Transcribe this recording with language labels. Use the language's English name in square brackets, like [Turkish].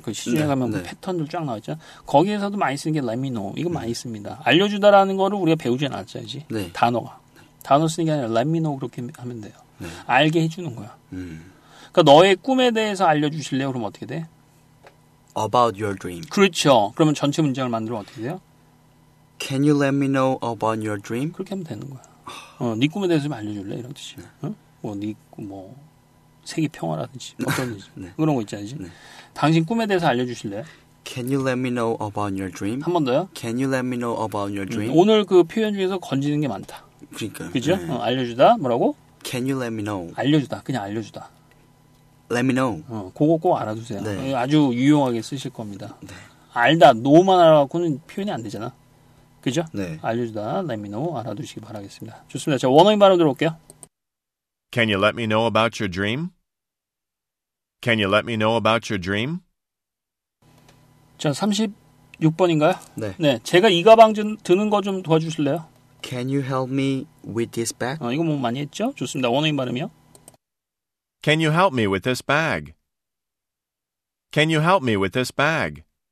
[Korean] 그 시중에 네. 가면 네. 패턴들 쫙 나왔죠. 거기에서도 많이 쓰는 게 [English] Let me know. [Korean] 이거 많이 씁니다. 알려주다라는 거를 우리가 배우지 않았어야지. 네. 단어가. 네. 단어 쓰는 게 아니라 [English] Let me know [Korean] 그렇게 하면 돼요. 네. 알게 해주는 거야. 그러니까 너의 꿈에 대해서 알려주실래요? 그러면 어떻게 돼? [English] About your dream. [Korean] 그렇죠. 그러면 전체 문장을 만들면 어떻게 돼요? [English] Can you let me know about your dream? [Korean] 그렇게 하면 되는 거야. 네 꿈에 대해서 좀 알려줄래? 이런 뜻이. 네. 뭐 세계 평화라든지 어떤 뜻이. 네. 그런 거 있잖아요. 네. 당신 꿈에 대해서 알려주실래요? [English] Can you let me know about your dream? [Korean] 한 번 더요. [English] Can you let me know about your dream? [Korean] 오늘 그 표현 중에서 건지는 게 많다. 그러니까. 그죠? 네. 알려주다. 뭐라고? [English] Can you let me know? [Korean] 알려주다. 그냥 알려주다. [English] Let me know. [Korean] 그거 꼭 알아두세요. 네. 아주 유용하게 쓰실 겁니다. 네. 알다, know만 알아갖고는 표현이 안 되잖아. 그죠? 네. 알려주다. [English] Let me know. [Korean] 알아두시기 바라겠습니다. 좋습니다. 자, 원어민 발음 들어볼게요. [English] Can you let me know about your dream? Can you let me know about your dream? [Korean] 자, 36번인가요? 네. 네. 제가 이 가방 드는 거 좀 도와주실래요? [English] Can you help me with this bag? [Korean] 이거 뭐 많이 했죠? 좋습니다. 원어민 발음이요. [English] Can you help me with this bag? Can you help me with this bag?